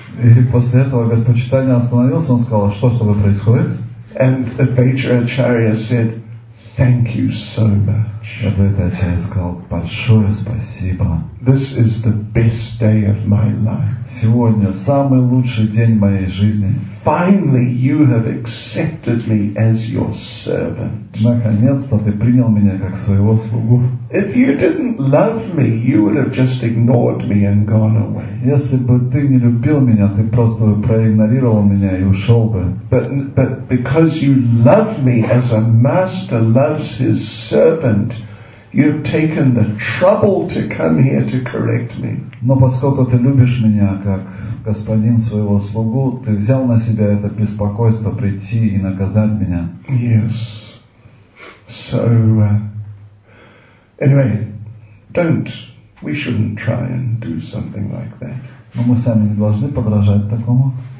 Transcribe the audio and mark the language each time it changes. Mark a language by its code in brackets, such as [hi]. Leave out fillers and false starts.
[ru] И после этого Господь Чайтанья остановился, он сказал, «Что с тобой происходит?» [en] And Advaita Acharya said, Thank you so much. [ru] Advaita Acharya сказал, большое спасибо. [en] This is the best day of my life. [ru] Сегодня самый лучший день моей жизни. [en] Finally, you have accepted me as your servant. [ru] Наконец-то ты принял меня как своего слугу. [en] If you didn't love me, you would have just ignored me and gone away. [ru] Если бы ты не любил меня, ты просто бы проигнорировал меня и ушел бы. [en] But because you love me as a master loves his servant, you have taken the trouble to come here to correct me. [ru] Но поскольку ты любишь меня как господин своего слугу, ты взял на себя это беспокойство прийти и наказать меня. [en] Yes. So, anyway, don't. We shouldn't try and do something like that. [ru] Но мы сами не должны подражать такому.